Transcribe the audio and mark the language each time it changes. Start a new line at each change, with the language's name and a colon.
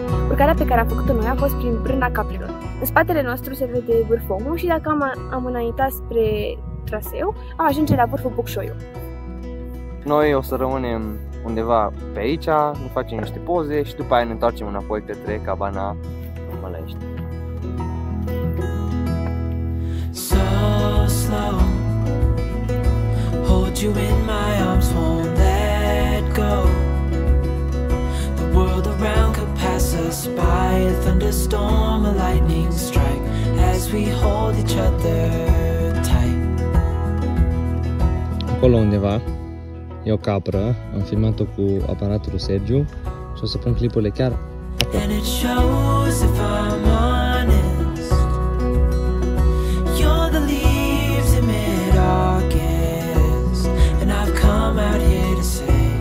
Romanian: Urcarea pe care am făcut-o noi a fost prin Brâna Caprilor. În spatele nostru se vede vârful Omu și dacă am înaintat spre traseu, am ajunge la vârful Bucșoiu. Noi o să rămânem undeva pe aici, nu facem niște poze și după aia ne întoarcem înapoi către cabana în Mălești.
English: So slow, hold you in my arms, won't let go. World around could pass us by, a thunderstorm, a lightning strike, as we hold each other tight.
Romanian: Acolo undeva e o capră, am filmat-o cu aparatul Sergiu și o să pun clipurile chiar acolo.
English: And it shows if I'm honest, you're the leaves in mid-August, and I've come out here to say.